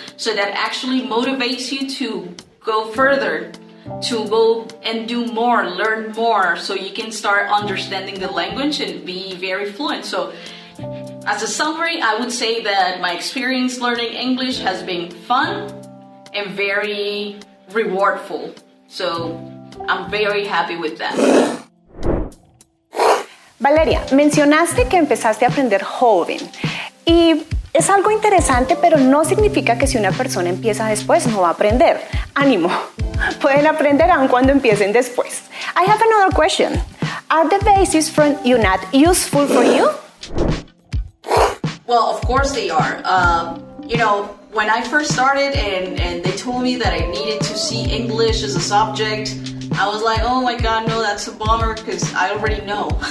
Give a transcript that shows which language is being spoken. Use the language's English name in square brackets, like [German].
[English] So that actually motivates you to go further, to go and do more, learn more, so you can start understanding the language and be very fluent. So as a summary, I would say that my experience learning English has been fun and very rewardful. So I'm very happy with that. [Spanish] Valeria, mencionaste que empezaste a aprender joven y es algo interesante, pero no significa que si una persona empieza después no va a aprender. Ánimo, pueden aprender aun cuando empiecen después. [English] I have another question. Are the basics from UNAD useful for you? Well, of course they are. You know, when I first started and they told me that I needed to see English as a subject, I was like, oh my God, no, that's a bummer because I already know.